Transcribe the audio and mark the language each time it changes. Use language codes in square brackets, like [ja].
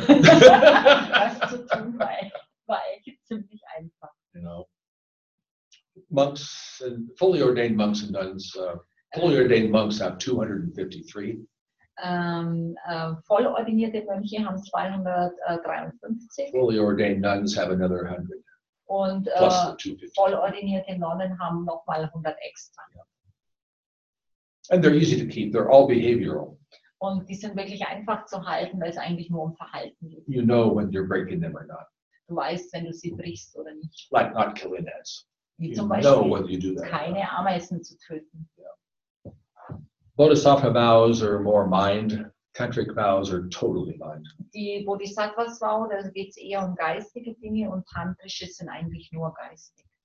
[de] Das zu tun war ziemlich einfach. [en] You know, monks, fully ordained monks and nuns, fully ordained monks have 253. [de] Voll ordinierte Mönche haben 253. [en] Fully ordained nuns have another 100. [de] Und voll ordinierte Nonnen haben nochmal 100 extra. [en] Yeah. And they're easy to keep. They're all behavioral. [de] Und die sind wirklich einfach zu halten, weil es eigentlich nur um Verhalten geht. [en] You know when you're breaking them or not. [de] Du weißt, wenn du sie brichst oder nicht. [en] Like not killing ants. [de] Wie zum Beispiel keine Ameisen zu töten. [en] Yeah. Bodhisattva vows are more mind. Tantric vows are totally mind. [de] Die Bodhisattva-Vow, da geht es eher um geistige Dinge und tantrische sind eigentlich nur geistig.